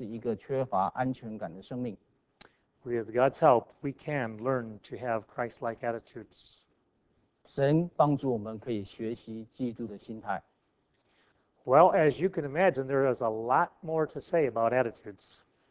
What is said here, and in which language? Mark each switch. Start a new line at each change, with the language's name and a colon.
Chinese: 如果我们可以像耶稣一样看见一个常常狭制、苛刻要求的人的话，也许我们可以看见这个人的内心，也许是曾经是一个缺乏安全感的生命。
English: With God's help, we can learn to have Christ-like attitudes.
Chinese: 神帮助我们可以学习基督的心态。
English: Well, as you can imagine, there is a lot more to say about attitudes.